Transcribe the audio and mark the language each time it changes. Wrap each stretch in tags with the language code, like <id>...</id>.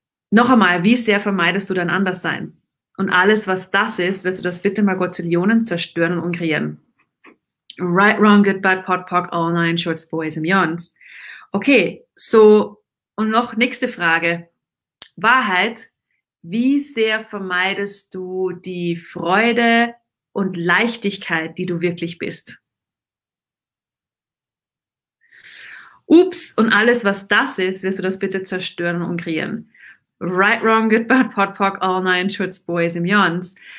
<de>Noch einmal, wie sehr vermeidest du dein Anderssein? Und alles, was das ist, wirst du das bitte mal Gottillionen zerstören und kreieren.</de> <en>Right, wrong, good, bad, pot, pock, all nine shorts, boys and yons.</en> <de>Okay, so, und noch nächste Frage. Wahrheit, wie sehr vermeidest du die Freude und Leichtigkeit, die du wirklich bist? Ups, und alles, was das ist, wirst du das bitte zerstören und kreieren.</de> <en>Right, wrong, good, bad, pot, pock, all nine shorts, boys and yons.</en>